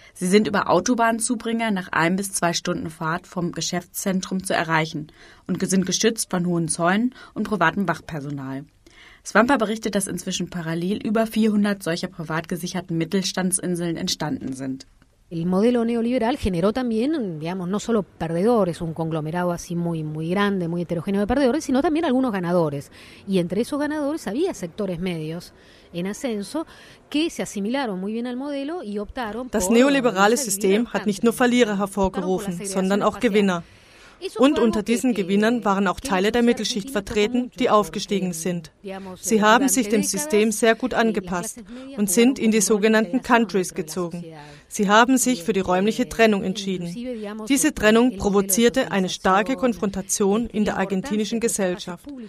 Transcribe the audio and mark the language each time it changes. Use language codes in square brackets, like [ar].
[de] Sie sind über Autobahnzubringer nach 1 bis 2 Stunden Fahrt vom Geschäftszentrum zu erreichen und sind geschützt von hohen Zäunen und privatem Wachpersonal. Swampa berichtet, dass inzwischen parallel über 400 solcher privat gesicherten Mittelstandsinseln entstanden sind. [es] El modelo neoliberal generó también, digamos, no solo perdedores, un conglomerado así muy, muy grande, muy heterogéneo de perdedores, sino también algunos ganadores. Y entre esos ganadores había sectores medios en ascenso que se asimilaron muy bien al modelo y optaron [de] por... Das neoliberale System hat nicht nur Verlierer hervorgerufen, sondern auch Gewinner. Und unter diesen Gewinnern waren auch Teile der Mittelschicht vertreten, die aufgestiegen sind. Sie haben sich dem System sehr gut angepasst und sind in die sogenannten Countries gezogen. Sie haben sich für die räumliche Trennung entschieden. Diese Trennung provozierte eine starke Konfrontation in der argentinischen Gesellschaft.